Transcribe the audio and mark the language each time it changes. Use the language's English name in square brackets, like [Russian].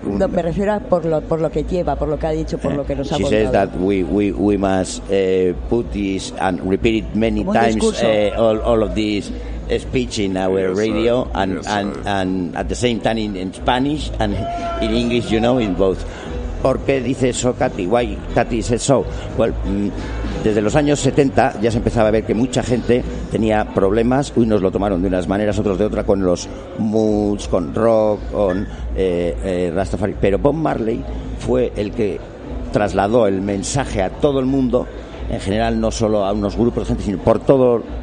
[Spanish] No, me refiero a por lo que lleva, por lo que ha dicho, por lo que nos ha contado. [English] She says that we must put this and repeat it many times, all of this speech in our radio, and at the same time in Spanish and in English, you know, in both. [Spanish] ¿Por qué dice eso, Katy? [English] Why Katy says so? [Spanish] Well, desde los años 70 ya se empezaba a ver que mucha gente tenía problemas. Unos lo tomaron de unas maneras, otros de otra, con los moods, con rock, con Rastafari. Pero Bob Marley fue el que trasladó el mensaje a todo el mundo, en general no solo a unos grupos de gente, sino por todo.